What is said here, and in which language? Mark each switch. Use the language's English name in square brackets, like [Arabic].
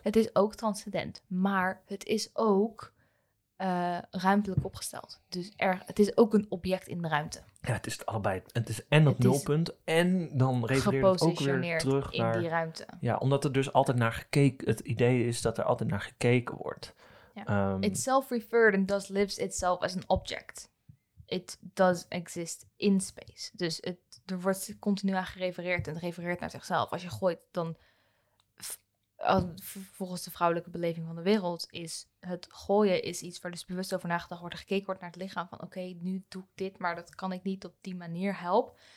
[Dutch] Het is ook transcendent, maar het is ook ruimtelijk opgesteld. Dus het is ook een object in de ruimte. Ja, het is het allebei. Het is en dat nulpunt en dan refereert het ook weer terug in naar die ruimte. Ja, omdat er dus altijd naar gekeken, het idee is dat er altijd naar gekeken wordt. [English] Yeah. Itself referred and thus lives itself as an object. It does exist in space. [Dutch] Dus er wordt continu aan gerefereerd en refereert naar zichzelf. Als je gooit, dan volgens de vrouwelijke beleving van de wereld is het gooien is iets waar dus bewust over nagedacht wordt. Gekeken wordt naar het lichaam van oké, nu doe ik dit, maar dat kan ik niet op die manier helpen.